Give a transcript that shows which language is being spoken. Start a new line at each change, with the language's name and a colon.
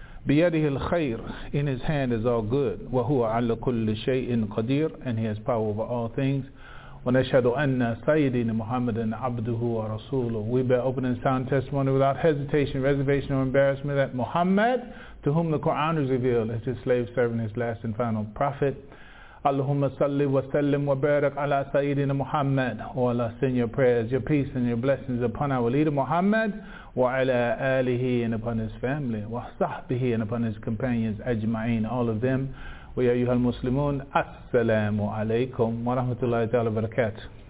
Arabic: بِيَدِهِ الْخَيْرُ.
English: In his hand is all good.
Arabic: وَهُوَ عَلَى كُلِّ شَيْءٍ قَدِيرٌ.
English: And he has power over all things.
Arabic: وَنَشْهَدُ أَنَّ سَيِّدِينَ مُحَمَّدًا عَبْدُهُ وَرَسُولُهُ.
English: We bear open and sound testimony without hesitation, reservation, or embarrassment that Muhammad, to whom the Quran is revealed, is his slave, servant, his last and final prophet.
Arabic: اللهم صل وسلم وبارك على سيدنا محمد.
English: O Allah, send your prayers, your peace, and your blessings upon our leader Muhammad,
Arabic: وعلى آله,
English: and upon his family, وصحبه, and upon his companions, أجمعين, all of them. We are Yuhal Muslimun. Assalamu alaikum wa rahmatullahi ta'ala wa barakatuh.